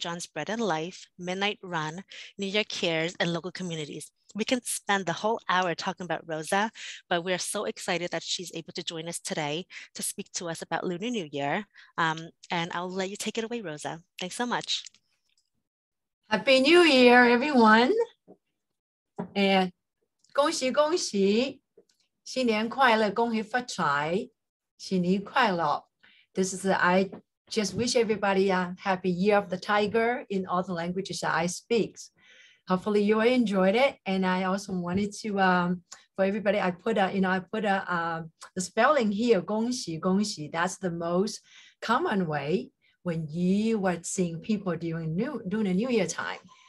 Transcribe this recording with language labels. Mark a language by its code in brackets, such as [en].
[en] John's Bread and Life, Midnight Run, New Year Cares, and local communities. We can spend the whole hour talking about Rosa, but we are so excited that she's able to join us today to speak to us about Lunar New Year. And I'll let you take it away, Rosa. Thanks so much. Happy New Year, everyone. [zh] And 恭喜恭喜, 新年快乐,恭喜发财, 新年快乐. [en] This is, I just wish everybody a happy year of the tiger in all the languages that I speak. Hopefully you enjoyed it. And I also wanted to, for everybody, I put a spelling here, [zh] 恭喜恭喜. [en] That's the most common way when you were seeing people during the New Year time.